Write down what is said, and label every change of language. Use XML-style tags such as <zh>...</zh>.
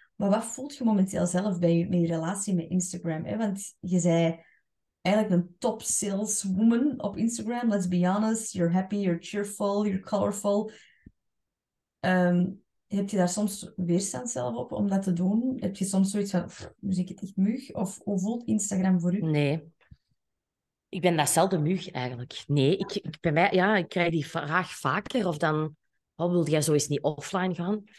<nl>Maar wat voelt je momenteel zelf bij je relatie met Instagram? Hè? Want je zei eigenlijk een top saleswoman op Instagram.</nl> <en>Let's be honest, you're happy, you're cheerful, you're colorful.</en> <nl>Heb je daar soms weerstand zelf op om dat te doen? Heb je soms zoiets van, nu zie ik het echt mug? Of hoe voelt Instagram voor u? Nee, ik ben dat zelden mug eigenlijk. Nee, ik bij mij, ja, ik krijg die vraag vaker of dan, oh, wil jij zo eens niet offline gaan?</nl>